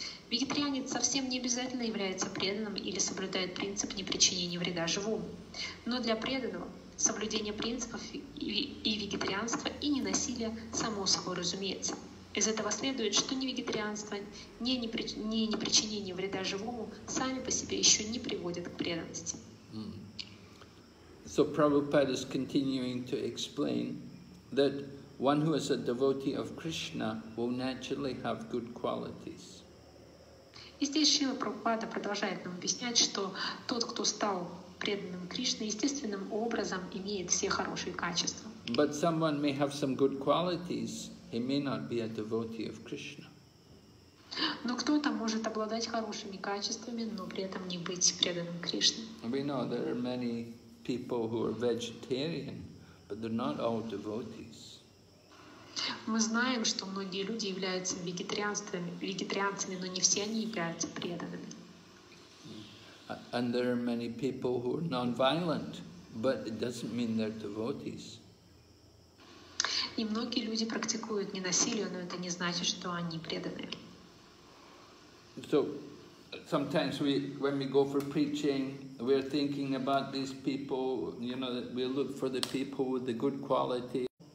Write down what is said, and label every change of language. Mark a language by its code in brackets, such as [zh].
[ru] Вегетарианец совсем не обязательно является преданным или соблюдает принцип непричинения вреда живому. Но для преданного соблюдение принципов и вегетарианства, и ненасилия само собой разумеется. Из этого следует, что ни вегетарианство, ни непричинение вреда живому сами по себе еще не приводят к преданности. Mm. [en] So Prabhupada is continuing to explain that one who is a devotee of Krishna will naturally have good qualities. [ru] И здесь Шрила Прабхупада продолжает нам объяснять, что тот, кто стал преданным Кришне, естественным образом имеет все хорошие качества. [en] But someone may have some good qualities, he may not be a devotee of Krishna. [ru] Но кто-то может обладать хорошими качествами, но при этом не быть преданным Кришне. [en] We know there are many people who are vegetarian, but they're not all devotees. [ru] Мы знаем, что многие люди являются вегетарианцами, но не все они являются преданными. [en] And there are many people who are non-violent, but it doesn't mean they're devotees. [ru] И многие люди практикуют ненасилие, но это не значит, что они преданы. [en] So, sometimes when we go for preaching, we're thinking about these people, you know, that we look for the people with the good quality.